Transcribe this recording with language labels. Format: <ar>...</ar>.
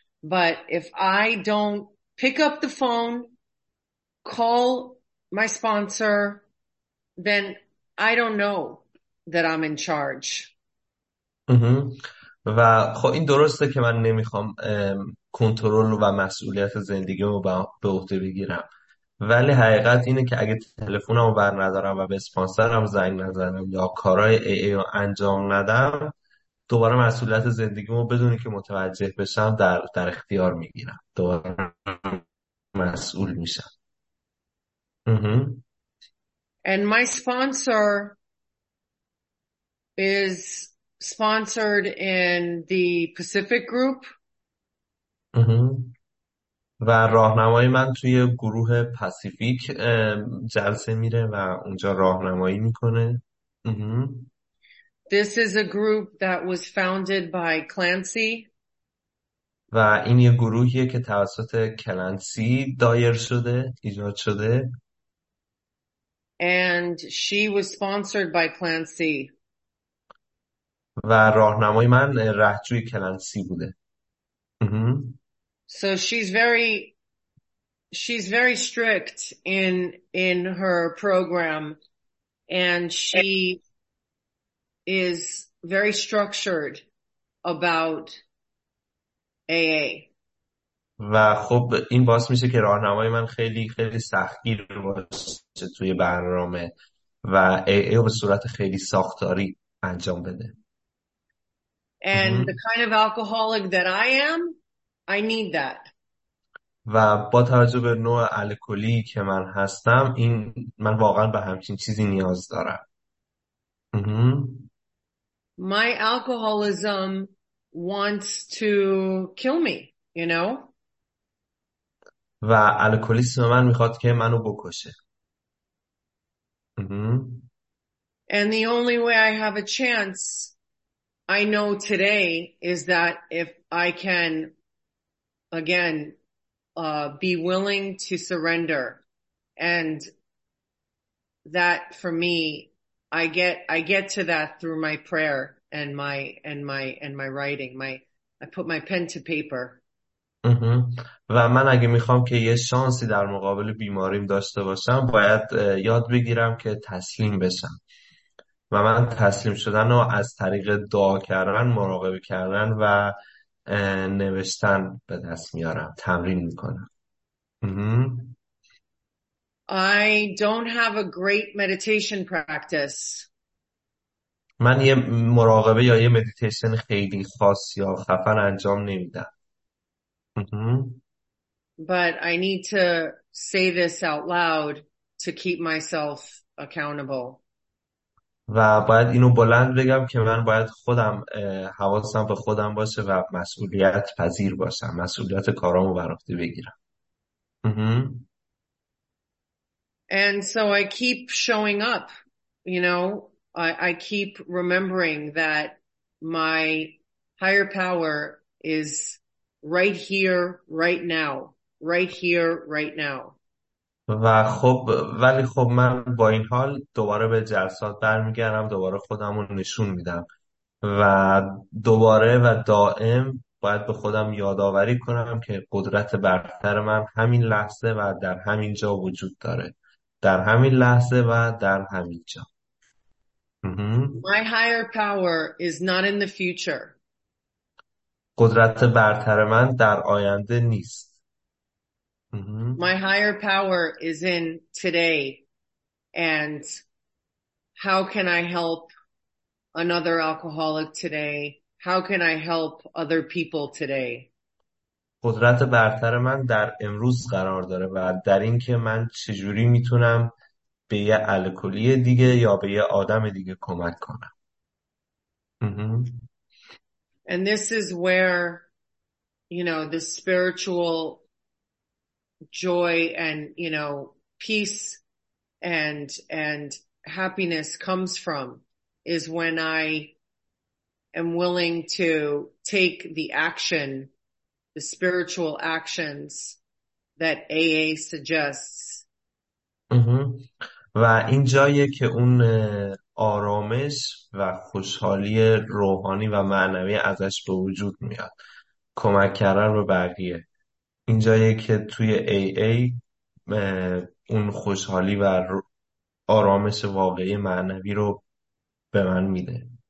<en>But if I don't pick up the phone, call my sponsor, then I don't know that I'm in charge.</en> <fa>و خب این درسته که من نمیخوام کنترل و مسئولیت زندگیمو به عهده بگیرم، ولی حقیقت اینه که اگه تلفونمو بر ندارم و به اسپانسرم زنگ نزنم یا کارهای ای ای رو انجام ندم، دوباره مسئولیت زندگیمو بدونی که متوجه بشم در اختیار میگیرم، دوباره مسئول میشم.</fa> <en>And my sponsor is sponsored in the Pacific group.</en> <fa>و راهنمای من توی گروه پاسیفیک جلسه میره و اونجا راهنمایی میکنه.</fa> <en>This is a group that was founded by Clancy.</en> <fa>و این یه گروهیه که توسط کلنسی دایر شده، ایجاد شده.</fa> <en>And she was sponsored by Clancy.</en> <fa>و راهنمای من رهجوی کلنسی بوده.</fa> <en>So she's very strict in her program, and she is very structured about AA.</en> <fa>و خب این باعث میشه که راهنمای من خیلی خیلی سختگیر باشه توی برنامه و AA رو به صورت خیلی ساختاری انجام بده.</fa> <en>And the kind of alcoholic that I am, I need that.</en> <fa>و با توجه به نوع الکلی که من هستم، این من واقعا به همچین چیزی نیاز دارم.</fa> <en>My alcoholism wants to kill me, you know?</en> <fa>و الکلیسم من میخواد که منو بکشه.</fa> <en>And the only way I have a chance, I know today, is that if I can again be willing to surrender, and that for me I get to that through my prayer and my writing, I put my pen to paper.</en> <fa>و من اگه میخوام که یه شانسی در مقابل بیماریم داشته باشم، باید یاد بگیرم که تسلیم بشم و من تسلیم شدن رو از طریق دعا کردن، مراقبه کردن و نوشتن به دست میارم، تمرین میکنم.</fa> <en>I don't have a great meditation practice.</en> <fa>من یه مراقبه یا یه مدیتیشن خیلی خاص یا خفن انجام نمیدم.</fa> <en>But I need to say this out loud to keep myself accountable.</en> <fa>و باید اینو بلند بگم که من باید خودم حواسم به خودم باشه و مسئولیت پذیر باشم، مسئولیت کارامو بر عهده بگیرم.</fa> <en>And so I keep showing up, you know, I keep remembering that my higher power is right here, right now, right here, right now.</en> <fa>و خب ولی خب من با این حال دوباره به جلسات برمیگردم، دوباره خودم رو نشون میدم و دوباره و دائم باید به خودم یادآوری کنم که قدرت برتر من همین لحظه و در همین جا وجود داره، در همین لحظه و در همین جا.</fa> <en>My higher power is not in the future.</en> <fa>قدرت برتر من در آینده نیست.</fa> <en>My higher power is in today, and how can I help another alcoholic today? How can I help other people today?</en> <fa>قدرت برتر من در امروز قرار داره و در این که من چجوری میتونم به یه الکلی دیگه یا به یه آدم دیگه کمک کنم.</fa> <en>And this is where, you know, the spiritual joy and, you know, peace and happiness comes from, is when I am willing to take the action, the spiritual actions that AA suggests.</en> <fa>و این جاییه که اون آرامش و خوشحالی روحانی و معنوی ازش به وجود میاد، کمک کردن به بقیه. این جاییه که توی AA اون خوشحالی و آرامش واقعی معنوی رو به من میده.</fa>